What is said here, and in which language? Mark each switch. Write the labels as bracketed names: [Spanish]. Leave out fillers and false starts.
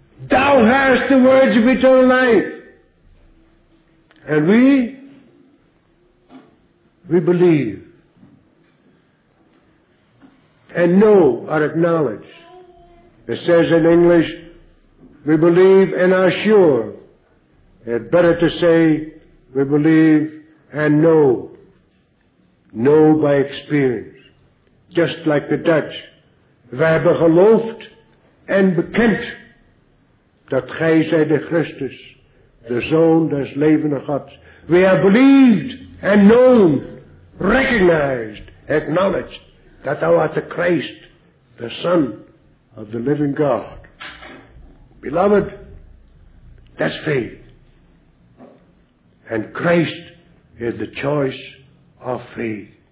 [English] Thou hast the words of eternal life." And we believe and know or acknowledge. It says in English, we believe and are sure. It's better to say we believe and know. Know by experience. Just like the Dutch, [Dutch] we hebben geloofd en bekend dat gij zij de Christus, de Zoon des levende Gods. [English] We have believed and known, recognized, acknowledged that thou art the Christ, the Son of the living God. Beloved, that's faith. And Christ is the choice of faith.